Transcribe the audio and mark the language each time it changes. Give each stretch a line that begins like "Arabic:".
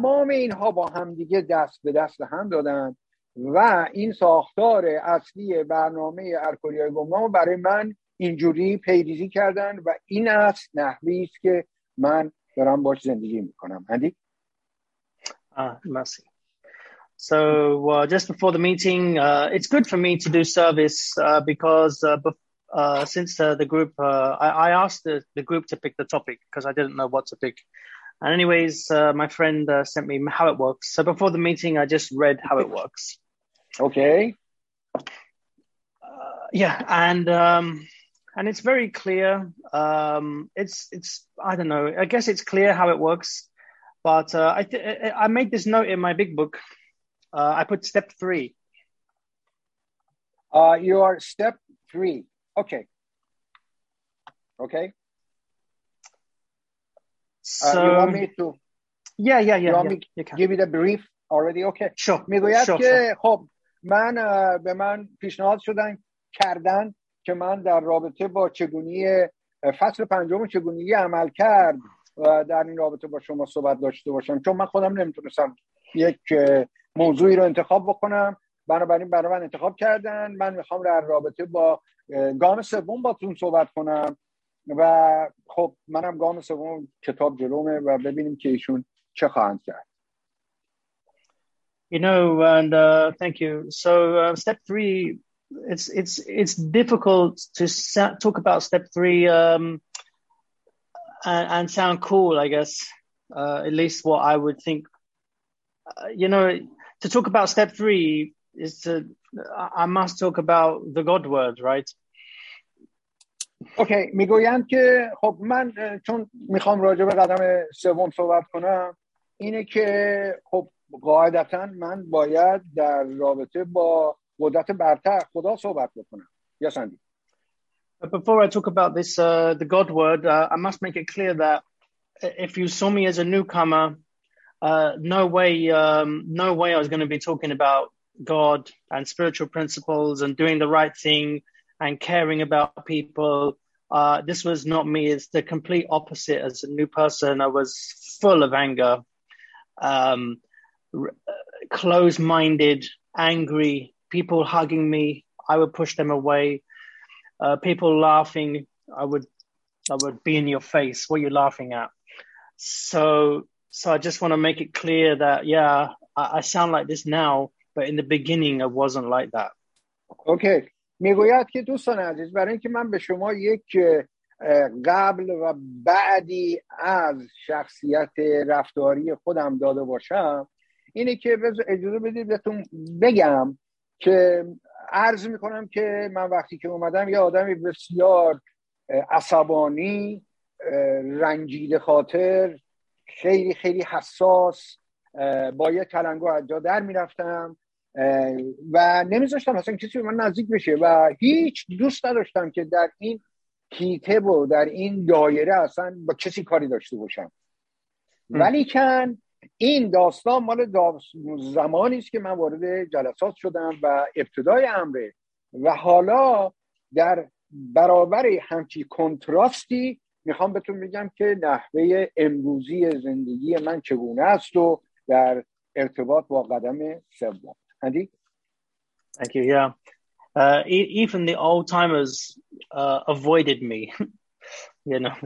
Persian: اینها با همدیگه دست به دست هم دادن و این ساختار اصلی برنامه الکلی‌های گمنام برای من اینجوری پیریزی کردن و این است نحوی است که من دارم باش زندگی میکنم. هندی؟ مرسی.
English: So just before the meeting, it's good for me to do service because since the group, I asked the group to pick the topic because I didn't know what to pick. And anyways, my friend sent me How It Works. So before the meeting, I just read How It Works. Okay. And it's very clear. It's I don't know. I guess it's clear how it works. But I made this note in my big book. I put step three. You are step three. Okay. Okay. So, you want me to? Yeah. You want me to give you the brief already? Okay. Sure.
Persian: میگوید
English: sure,
Persian: که خب من به من پیشنهاد شدن کردن که من در رابطه با چگونی فصل پنجم چگونی عمل کرد در این رابطه با شما صحبت داشته باشم، چون من خودم نمیتونستم یک موضوعی رو انتخاب بکنم، بنابراین برای من انتخاب کردن. من میخوام در رابطه با گام سوم باتون صحبت کنم و خب منم گام سوم کتاب جلومه و ببینیم که ایشون چه خواهند کرد.
English: You know, and thank you. So step three, it's difficult to talk about step three and sound cool, I guess, at least what I would think. You know, to talk about step three is to, I must talk about the God word, right?
Persian: Okay, میگویند که خب من چون میخوام راجع به قدم سوم صحبت کنم اینه که خب قاعدتاً من باید در رابطه با قدرت برتر خدا صحبت بکنم.
English: Yes, Andy. Before I talk about this, the God word, I must make it clear that if you saw me as a newcomer, no way I was going to be talking about God and spiritual principles and doing the right thing and caring about people. This was not me. It's the complete opposite. As a new person, I was full of anger, closed-minded, angry, people hugging me, I would push them away. People laughing, I would be in your face. What are you laughing at? So I just want to make it clear that, yeah, I sound like this now, but in the beginning, I wasn't like that. Okay.
Persian: میگوید که دوستان عزیز، برای اینکه من به شما یک قبل و بعدی از شخصیت رفتاری خودم داده باشم، اینه که اجازه بدید بهتون بگم که عرض میکنم که من وقتی که اومدم یه آدمی بسیار عصبانی، رنجیده خاطر، خیلی خیلی حساس، با یه تلنگو از جا در میرفتم و نمیذاشتم اصلا کسی به من نزدیک بشه و هیچ دوست نداشتم که در این کیته و در این دایره اصلا با کسی کاری داشته باشم. ولیکن این داستان مال زمانی است که من وارد جلسات شدم و ابتدای امره و حالا در برابر همچی کنتراستی میخوام بهتون بگم که نحوه امروزی زندگی من چگونه است و در ارتباط با قدم سوم.
English: Andy? Thank you. Yeah. Even the old timers avoided me. You know, they